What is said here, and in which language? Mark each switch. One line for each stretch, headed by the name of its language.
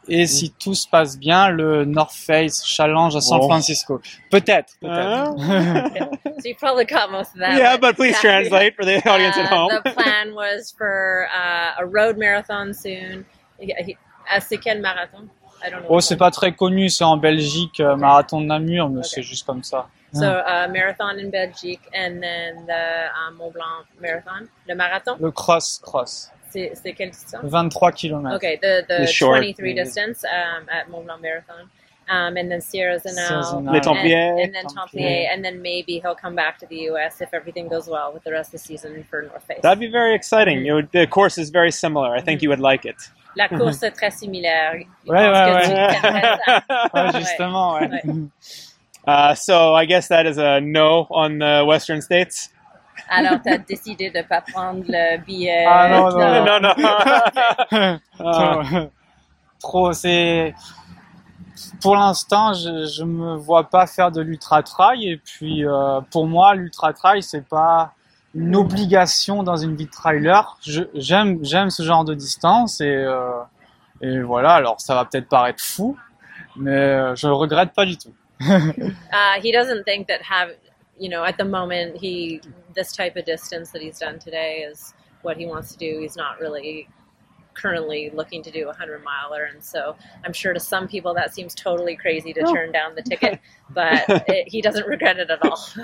French: Et si tout se passe bien, le North Face Challenge à San Francisco. Peut-être.
English: Okay. So you probably got most of that. Yeah, but please translate for the audience at home. The plan was for a road marathon soon.
French: C'est quel marathon?
English: I don't know.
French: Oh, c'est pas très connu. C'est en Belgique, marathon de Namur, mais c'est juste comme ça.
English: So a marathon in Belgique, and then the Mont Blanc marathon,
French: le marathon. Le cross. C'est quelle distance? 23 kilomètres.
English: Okay, the short, 23 maybe. Distance at Mont Blanc Marathon. And then Sierra Zanao.
French: Les Templiers.
English: And then Templiers. And then maybe he'll come back to the U.S. if everything goes well with the rest of the season for North Face. That'd be very exciting. Mm-hmm. The course is very similar. I think you would like it.
French: La course est très similaire. Ouais. Justement, ouais.
English: So I guess that is a no on the Western States.
French: Alors, tu as décidé de ne pas prendre le billet. Ah non. Non. Okay. Trop, c'est... Pour l'instant, je ne me vois pas faire de l'ultra-trail. Et puis, pour moi, l'ultra-trail, ce n'est pas une obligation dans une vie de trailer. J'aime ce genre de distance. Et voilà, alors ça va peut-être paraître fou, mais je ne regrette pas du tout.
English: He doesn't think that you know, at the moment, this type of distance that he's done today is what he wants to do. He's not really currently looking to do a 100-miler. And so I'm sure to some people that seems totally crazy to turn down the ticket, but he doesn't regret it at all.